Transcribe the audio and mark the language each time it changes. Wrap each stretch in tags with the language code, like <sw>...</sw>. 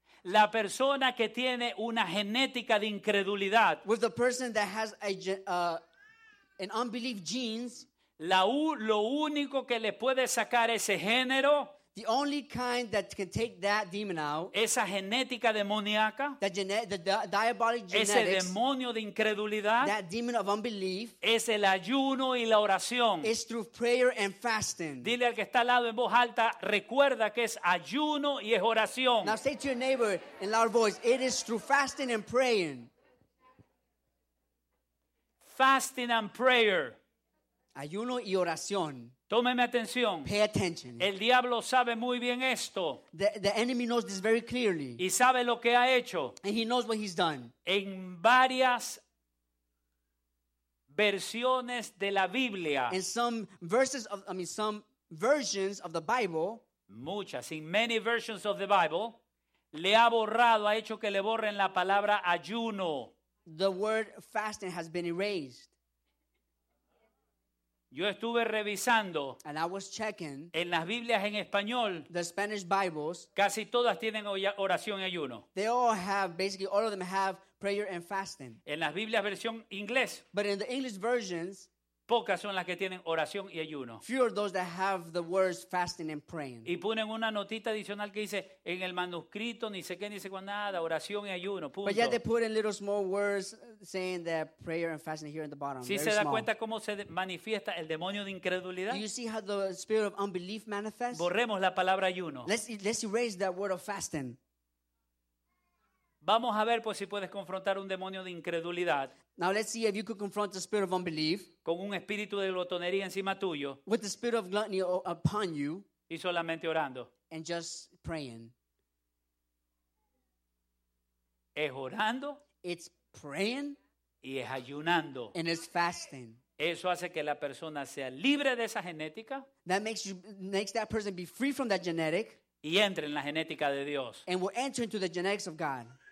<es>La persona que tiene una genética de incredulidad,</es> <en>with the person that has an unbelief genes,</en> <es>lo único que le puede sacar ese género,</es> <en>the only kind that can take that demon out,</en> <es>esa genética demoníaca,</es> <en>the diabolic genetics,</en> <es>ese demonio de incredulidad,</es> <en>that demon of unbelief,</en> <es>es el ayuno y la oración,</es> <en>is through prayer and fasting.</en> <es>Dile al que está al lado en voz alta, recuerda que es ayuno y es oración.</es> <en>Now say to your neighbor in loud voice, it is through fasting and praying. Fasting and prayer.</en> <es>Ayuno y oración. Tómeme atención.</es> <en>Pay attention.</en> <es>El diablo sabe muy bien esto.</es> <en>The enemy knows this very clearly.</en> <es>Y sabe lo que ha hecho.</es> <en>And he knows what he's done.</en> <es>En varias versiones de la Biblia.</es> <en>In some versions of the Bible.</en> <es>Muchas,</es> <en>in many versions of the Bible.</en> <es>Le ha borrado, ha hecho que le borren la palabra ayuno.</es> <en>The word fasting has been erased.</en> <es>Yo estuve revisando,</es> <en>and I was checking,</en> <es>en las Biblias en español,</es> <en>the Spanish Bibles,</en> <es>casi todas tienen oración y ayuno.</es> <en>They all have, basically all of them have prayer and fasting.</en> <es>En las Biblias versión inglés,</es> <en>but in the English versions,</en> <es>pocas son las que tienen oración y ayuno.</es> <en>Few are those that have the words fasting and praying.</en> <es>Y ponen una notita adicional que dice, en el manuscrito, ni sé qué, ni sé cuándo, nada, oración y ayuno, punto.</es> <en>But yet they put in little small words saying that prayer and fasting here in the bottom.</en> <es>¿Sí se da cuenta cómo se manifiesta el demonio de incredulidad?</es> <en>Do you see how the spirit of unbelief manifests?</en> <es>Borremos la palabra ayuno.</es> <en>Let's erase that word of fasting.</en> <es>Vamos a ver, pues, si puedes confrontar un demonio de incredulidad.</es> <en>Now let's see if you could confront the spirit of unbelief.</en> <es>Con un espíritu de glotonería encima tuyo.</es> <en>With the spirit of gluttony upon you.</en> <es>Y solamente orando.</es> <en>And just praying.</en> <es>Es orando.</es> <en>It's praying.</en> <es>Y es ayunando.</es> <en>And it's fasting.</en> <es>Eso hace que la persona sea libre de esa genética.</es> <en>That makes that person be free from that genetic.</en> <es>Y entre en la genética de Dios.</es> <en>And will enter into the genetics of God.</en>